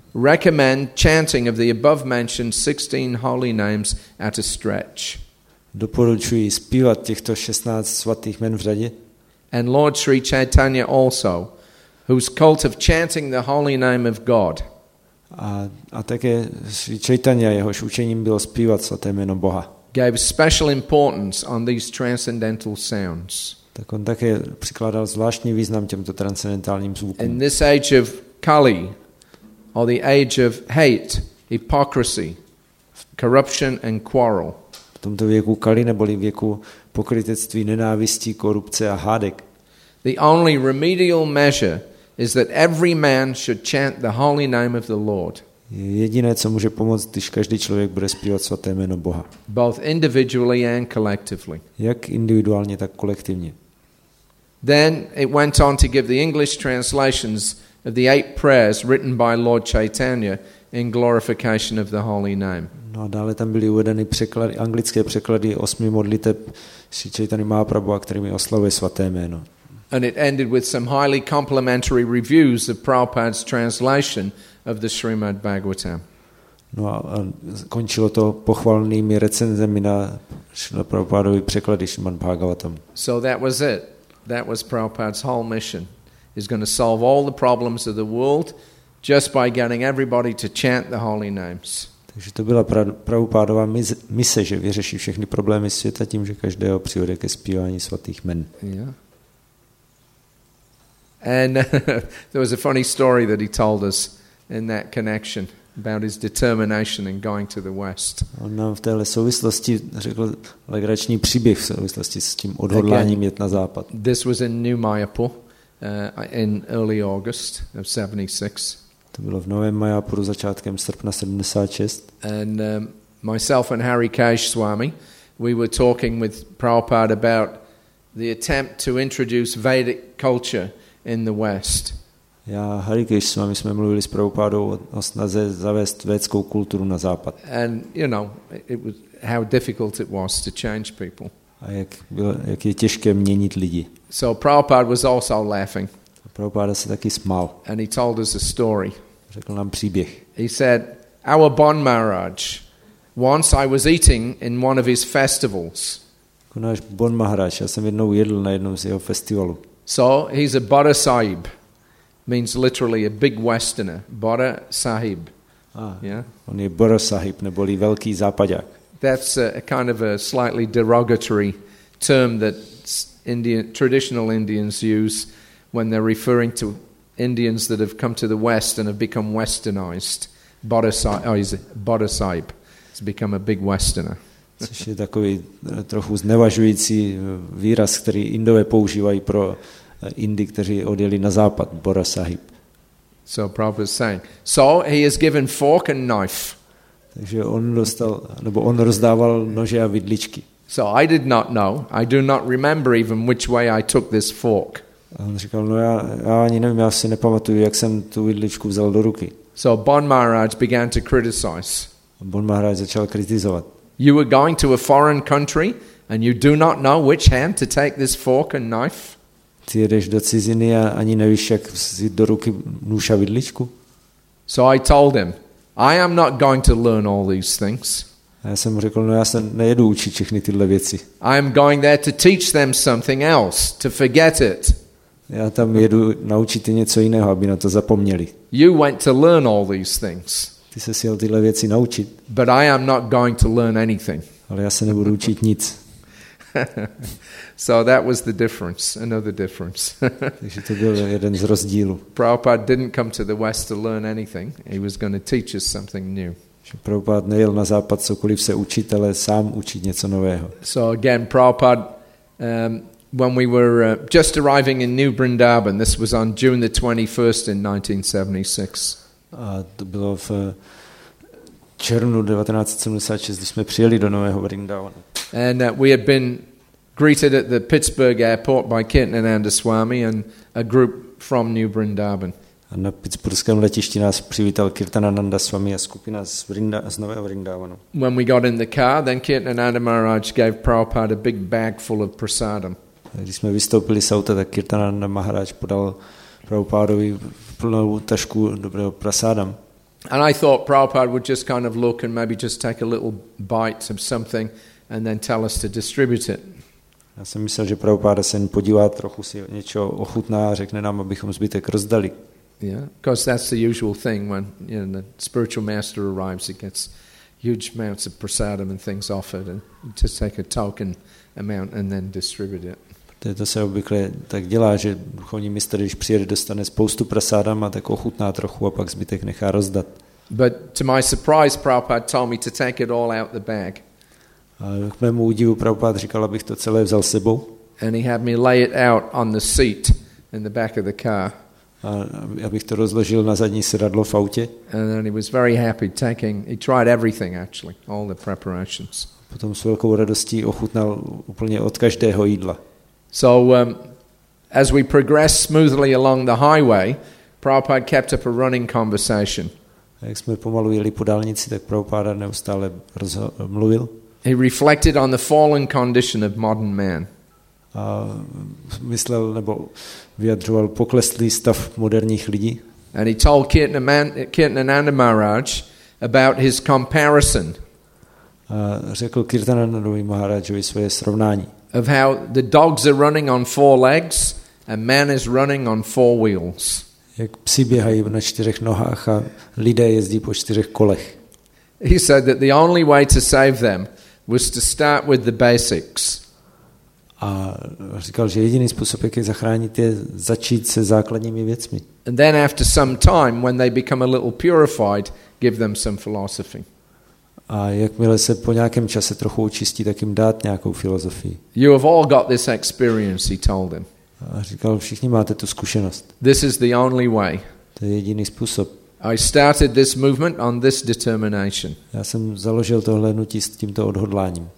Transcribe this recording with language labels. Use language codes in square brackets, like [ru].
[en] Recommend chanting of the above mentioned 16 holy names at a stretch. [cs] Doporučuji zpívat těchto 16 svatých jmen v řadě. [en] And Lord Sri Chaitanya also, whose cult of chanting the holy name of God. [cs] A také Sri Chaitanya, jehož učením bylo zpívat svaté jméno Boha. [en] Gave special importance on these transcendental sounds. [cs] Tak on také přikládal zvláštní význam těmto transcendentálním zvukům. [en] In this age of Kali, or the age of hate, hypocrisy, corruption and quarrel. [cs] V tomto věku Kali neboli věku pokrytectví, nenávistí, korupce a hádek. [en] The only remedial measure is that every man should chant the holy name of the Lord. [cs] Jediné, co může pomoct, když každý člověk bude zpívat svaté jméno Boha. [en] Both individually and collectively. [cs] Jak individuálně, tak kolektivně. [en] Then it went on to give the English translations of the eight prayers written by Lord Chaitanya in glorification of the holy name. [cs] No a dále tam byly uvedeny překlady, anglické překlady osmi modliteb Sri Chaitany Mahaprabhuha, kterými oslavuje svaté jméno. [en] And it ended with some highly complimentary reviews of Prabhupada's translation of the Srimad Bhagavatam. [cs] No a končilo to pochvalnými recenzemi na Prabhupádovy překlady Srimad Bhagavatam. [en] So that was it. That was Prabhupada's whole mission. He's going to solve all the problems of the world just by getting everybody to chant the holy names. [cs] Takže to byla Prabhupádova mise, že vyřeší všechny problémy světa tím, že každého přivede ke zpívání svatých jmen. [en] Yeah. And there was a funny story that he told us in that connection about his determination in going to the West. [cs] On nám v téhle souvislosti řekl legrační příběh v souvislosti s tím odhodláním jet na západ. [en] This was in New Mayapur in early August of 76. [cs] To bylo v Novém Mayapuru začátkem srpna 76. [en] And myself and Hari Keshwami, we were talking with Prabhupada about the attempt to introduce Vedic culture in the West. [cs] Já Hari Keshwami jsme mluvili s Prabhupádou o snaze zavést védskou kulturu na západ. [en] And you know, it was how difficult it was to change people. [cs] A jak je těžké měnit lidi. [en] So Prabhupada was also laughing. [cs] Prabhupada se taky smál. [en] And he told us a story. [cs] Řekl nám příběh. [en] He said, our Bon Maharaj, once I was eating in one of his festivals. [cs] Náš Bon Maharaj, já jsem jednou jedl na jednom z jeho festivalů. [en] So he's a Bada Sahib, means literally a big Westerner. [hi] Bada Sahib. [en] Yeah? [cs] On je Bada Sahib, neboli velký západák. [en] That's a kind of a slightly derogatory term that traditional Indians use when they're referring to Indians that have come to the West and have become westernized. Bada Sahib has become a big Westerner. [cs] Což je takový trochu znevažující výraz, který Indové používají pro Indy, kteří odjeli na západ, Bora Sahib. [en] So Prabhupada is saying. So he has given fork and knife. [cs] Takže on dostal, nebo on rozdával nože a vidličky. [en] So I did not know. I do not remember even which way I took this fork. [cs] A on říkal, no já ani nevím, já si nepamatuju, jak jsem tu vidličku vzal do ruky. [en] So Bon Maharaj began to criticize. [cs] Bon Maharaj začal kritizovat. [en] You were going to a foreign country and you do not know which hand to take this fork and knife. [cs] Ty jedeš do ciziny a ani nevíš, jak vzít do ruky nůž a vidličku. [en] So I told him, I am not going to learn all these things. [cs] A já jsem mu řekl, no já se nejedu učit všechny tyhle věci. [en] I am going there to teach them something else, to forget it. [cs] Já tam jedu naučit něco jiného, aby na to zapomněli. [en] You went to learn all these things. [cs] Ty ses jel tyhle věci naučit. [en] But I am not going to learn anything. [cs] Ale já se nebudu učit nic. [en] So that was the difference, another difference. [cs] Takže to byl jeden z rozdílů. [en] Prabhupada didn't come to the West to learn anything. He was going to teach us something new. [cs] Prabhupada nejel na západ cokoliv se učit, ale sám učit něco nového. [en] So again, Prabhupada, when we were just arriving in New Vrindavan, this was on June the 21st in 1976. [cs] A to bylo v červnu 1976, když jsme přijeli do Nového Vrindavanu. [en] And we had been greeted at the Pittsburgh airport by Kirtanananda Swami and a group from New Vrindavan. [cs] A na pittsburghském letišti nás přivítal Kirtanananda Swami a skupina z Nového Vrindavanu. [en] When we got in the car, then Kirtanananda Maharaj gave Prabhupada a big bag full of prasadam. [cs] Když jsme vystoupili z auta, tak Kirtanananda Maharaj podal Prabhupádovi plnou tašku dobrého prasádam. [en] And I thought Prabhupada would just kind of look and maybe just take a little bite of something and then tell us to distribute it. [cs] Já jsem myslel, že Prabhupada se jen podívá, trochu si něco ochutná a řekne nám, abychom zbytek rozdali. [en] Yeah, because that's the usual thing when you know, the spiritual master arrives, he gets huge amounts of prasadam and things offered and just take a token amount and then distribute it. [cs] To se obvykle tak dělá, že duchovní mistr, když přijede, dostane spoustu prasádama a tak ochutná trochu a pak zbytek nechá rozdat. [en] But to my surprise, Prabhupada told me to take it all out the bag. [cs] A k mému údivu Prabhupada říkal, abych to celé vzal sebou. [en] And he had me lay it out on the seat in the back of the car. [cs] A abych to rozložil na zadní sedadlo v autě. [en] And then he was very happy taking, he tried everything actually, all the preparations. [cs] Potom s velkou radostí ochutnal úplně od každého jídla. [en] So as we progressed smoothly along the highway, Prabhupada kept up a running conversation. [cs] Jak jsme pomalu jeli po dálnici, tak Prabhupada neustále mluvil. [en] He reflected on the fallen condition of modern man. [cs] A myslel nebo vyjadřoval pokleslý stav moderních lidí. [en] And he told Kirtananda Maharaj about his comparison. [cs] A řekl Kirtananda Maharajovi svoje srovnání. [en] Of how the dogs are running on four legs and man is running on four wheels. [cs] Jak psi běhají na čtyřech nohách a lidé jezdí po čtyřech kolech. [en] He said that the only way to save them was to start with the basics. [cs] A říkal, že jediný způsob, jak je zachránit, je začít se základními věcmi. [en] And then after some time, when they become a little purified, give them some philosophy. [cs] A jakmile se po nějakém čase trochu očistí, tak jim dát nějakou filozofii. [en] You have all got this experience, he told them. [cs] A říkal, všichni máte tu zkušenost. [en] This is the only way. [cs] To je jediný způsob. [en] I started this movement on this determination. [cs] Já jsem založil tohle hnutí s tímto odhodláním.